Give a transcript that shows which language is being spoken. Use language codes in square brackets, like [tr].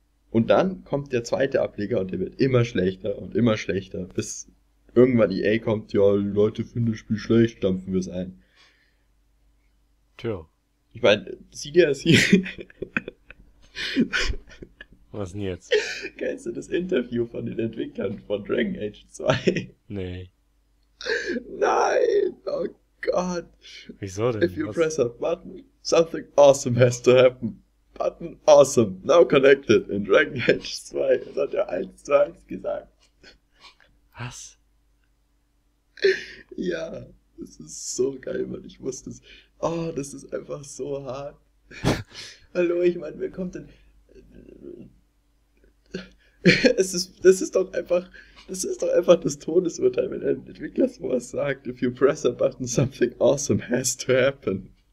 [de] Und dann kommt der zweite Ableger und der wird immer schlechter und immer schlechter, bis irgendwann EA kommt, ja, die Leute finden das Spiel schlecht, stampfen wir es ein. Tja. Ich meine, sieh dir das hier. Was denn jetzt? Kennst du das Interview von den Entwicklern von Dragon Age 2? Nee. Nein! Oh Gott. Wieso denn? [en] If you press a button, something awesome has to happen. Button awesome, now connected in Dragon Age 2. [de] Das hat er 1 zu 1 gesagt. Was? Ja, das ist so geil, Mann. Ich wusste es. Oh, das ist einfach so hart. Hallo, ich meine, wer kommt denn... Das ist doch einfach das Todesurteil, wenn ein Entwickler sowas sagt. [en] If you press a button, something awesome has to happen.